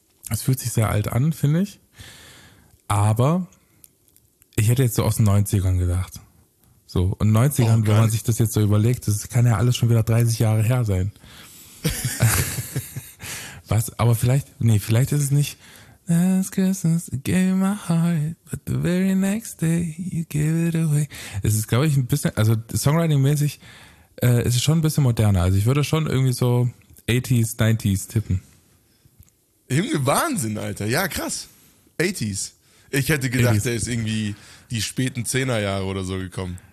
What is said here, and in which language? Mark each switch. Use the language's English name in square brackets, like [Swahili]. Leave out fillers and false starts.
[German] Es fühlt sich sehr alt an, finde ich. Aber... ich hätte jetzt so aus den 90ern gedacht. So, und 90ern, wenn man sich das jetzt so überlegt, das kann ja alles schon wieder 30 Jahre her sein. Was? Aber vielleicht ist es nicht. [English] Last Christmas, I gave my heart, but the very next day, you gave it away. [German] Es ist, glaube ich, ein bisschen, also Songwriting-mäßig, ist es schon ein bisschen moderner. Also ich würde schon irgendwie so 80s, 90s tippen. Junge, Wahnsinn, Alter. Ja, krass. 80s. Ich hätte gedacht, der ist irgendwie die späten 10er Jahre oder so gekommen.